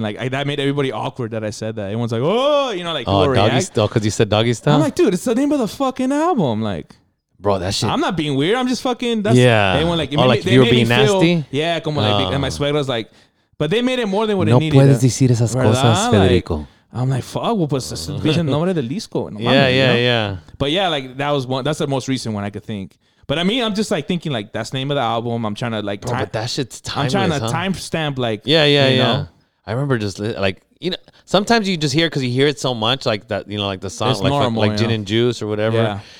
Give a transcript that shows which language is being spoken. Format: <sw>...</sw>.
<en>And like, that made everybody awkward that I said that. Everyone's like, oh, you know, like, oh, Doggy Style, because you said Doggy Style? I'm like, dude, it's the name of the fucking album. Like, bro, that shit. I'm not being weird. I'm just fucking... Everyone, like, you were being nasty? Feel, yeah, como like, and my suegra was like, but they made it more than what it needed.</en> <es>No puedes decir esas cosas, Federico.</es> <en>Like, I'm like, fuck, well,</en> <es>pues, es el nombre del disco.</es> <en>Yeah. But yeah, like, that was one. That's the most recent one I could think. But I mean, I'm just like thinking, like, that's the name of the album. I'm trying to, like, bro, but that shit's timeless. I'm trying to time stamp, like, you know? I remember just, like, you know, sometimes you just hear, because you hear it so much, like, that, you know, like the song, like Gin and Juice or whatever. Yeah.</en>